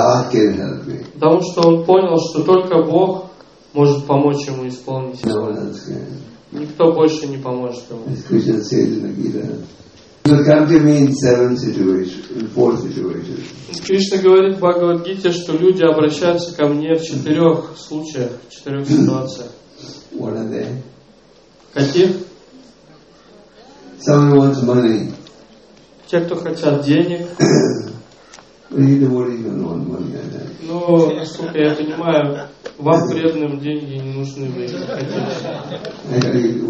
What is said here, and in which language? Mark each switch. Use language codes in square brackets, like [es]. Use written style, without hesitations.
[ru] Потому что он понял, что только Бог может помочь ему исполнить его. Никто больше не поможет ему. [en] As Krishna said in the Gita, the country means seven situations, four situations. [ru] Кришна говорит в Бхагавад-гите, что люди обращаются ко мне в четырех случаях, в четырех ситуациях. [en] What are they? [ru] Каких? [en] Someone wants money. [ru] Те, кто хотят денег. Ну, насколько я понимаю, вам преданным деньги не нужны, вы их не хотите.